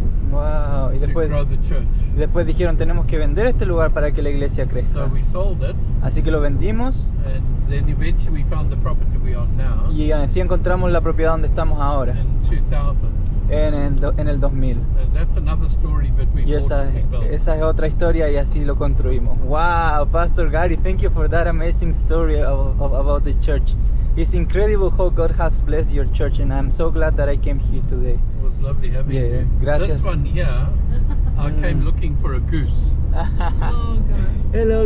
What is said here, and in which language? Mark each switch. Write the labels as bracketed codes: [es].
[es] Wow. Y después dijeron, tenemos que vender este lugar para que la iglesia crezca. [en] So we sold it. [es] Así que lo vendimos. [en] And then eventually we found the property we are now. [es] Y así encontramos la propiedad donde estamos ahora. En el 2000. [en] And that's another story, but we [es] y esa es otra historia y así lo construimos. [en] Wow, Pastor Gary, thank you for that amazing story about the church. It's incredible how God has blessed your church, and I'm so glad that I came here today. It was lovely having you. Gracias. This one here, I came looking for a goose. Oh, hello.